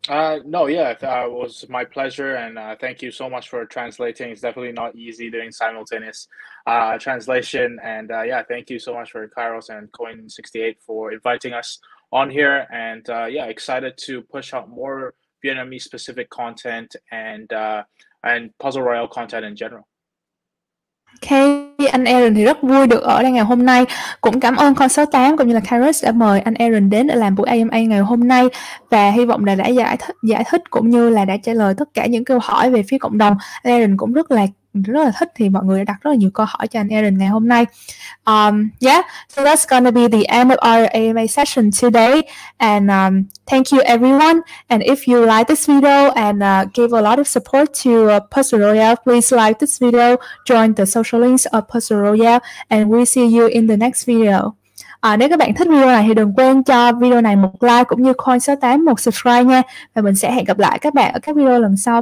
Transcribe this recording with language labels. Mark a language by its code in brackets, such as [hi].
[en] It was my pleasure, and thank you so much for translating. It's definitely not easy doing simultaneous translation, and thank you so much for Kairos and Coin68 for inviting us on here, and excited to push out more Vietnamese specific content and Puzzle Royale content in general. [vi] Okay, anh Aaron thì rất vui được ở đây ngày hôm nay. Cũng cảm ơn con số 8 cũng như là Kairos đã mời anh Aaron đến để làm buổi AMA ngày hôm nay. Và hy vọng là đã giải thích cũng như là đã trả lời tất cả những câu hỏi về phía cộng đồng. Anh Aaron cũng rất là thích, thì mọi người đã đặt rất là nhiều câu hỏi cho anh Aaron ngày hôm nay. [en] So that's gonna be the end of our AMA session today. And thank you everyone. And if you like this video and gave a lot of support to Puzzle Royale, please like this video, join the social links of Puzzle Royale, and we'll see you in the next video. [vi] Nếu các bạn thích video này thì đừng quên cho video này một like cũng như coin 68 một subscribe nha. Và mình sẽ hẹn gặp lại các bạn ở các video lần sau.